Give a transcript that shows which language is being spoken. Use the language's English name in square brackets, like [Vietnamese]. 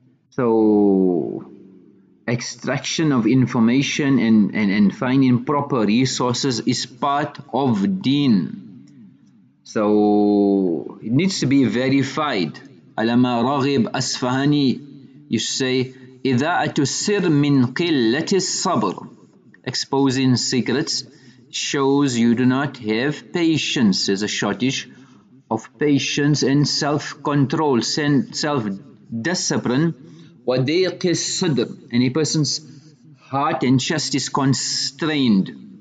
[English] So extraction of information and finding proper resources is part of deen. So it needs to be verified. Alama Raghib Asfahani you say [Arabic] إِذَاعَةُ السِّرْ مِنْ قِلَّةِ الصَّبْرِ. [English] Exposing secrets shows you do not have patience. There's a shortage of patience and self-control, self-discipline. [Arabic] وَدَيْقِ الصَّدْرِ. [English] Any person's heart and chest is constrained.